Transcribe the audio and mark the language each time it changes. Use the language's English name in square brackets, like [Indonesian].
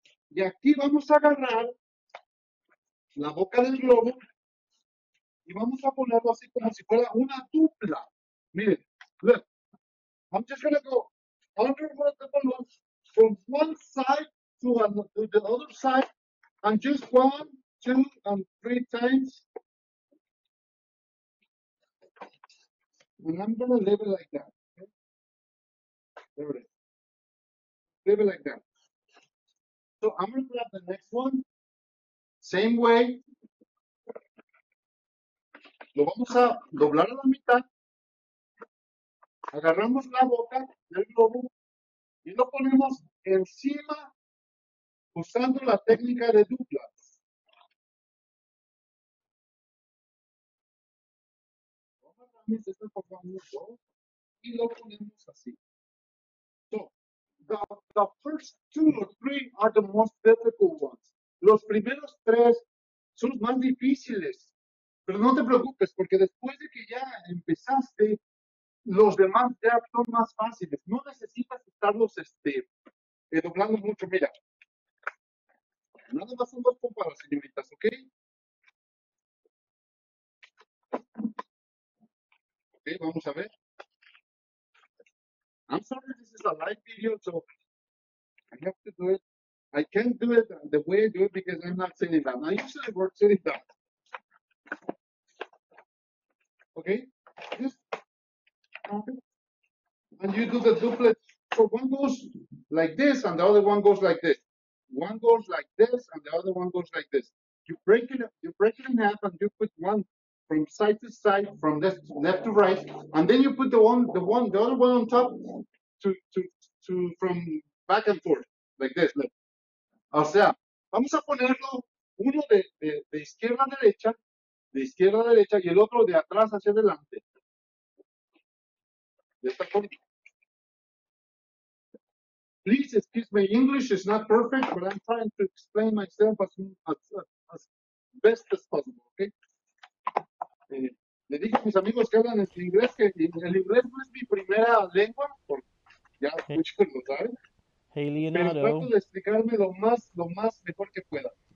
[Spanish] Y aquí vamos a agarrar la boca del globo. Y vamos a ponerlo así como si fuera una dupla. Miren, look. [English] I'm just going to go under the balloon from one side to the other side. And just one, two, and three times. And I'm going to leave it like that. Okay? There it is. Leave it like that. So I'm going to grab the next one. Same way. [Spanish] Lo vamos a doblar a la mitad, agarramos la boca del globo y lo ponemos encima usando la técnica de duplas. Lo agarramos y [English] means it's not a new goal. [Spanish] Y lo ponemos así. [English] So, the first two or three are the most difficult ones. [Spanish] Los primeros tres son los más difíciles. Pero no te preocupes, porque después de que ya empezaste, los demás ya son más fáciles. No necesitas estarlos doblando mucho. Mira, nada más son dos pompadas, señoritas, ¿ok? Ok, vamos a ver. [English] I'm sorry, this is a live video, so I have to do it. I can't do it the way I do it because I'm not sitting down. I usually work sitting down. Okay, just and you do the duplet. So one goes like this, and the other one goes like this. One goes like this, and the other one goes like this. You break it in half, and you put one from side to side, from left to right, and then you put the other one on top, to from back and forth like this. Look. [Spanish] O sea, vamos a ponerlo uno de izquierda a derecha. De izquierda a derecha y el otro de atrás hacia adelante. De esta forma. [English] Please excuse me, English is not perfect, but I'm trying to explain myself as best as possible, ¿ok? [Spanish] Le dije a mis amigos que hablan en inglés que el inglés no es mi primera lengua, porque ya muchos lo saben. [English] Hey Leonardo. [Spanish] Pero trato de explicarme lo más mejor que pueda.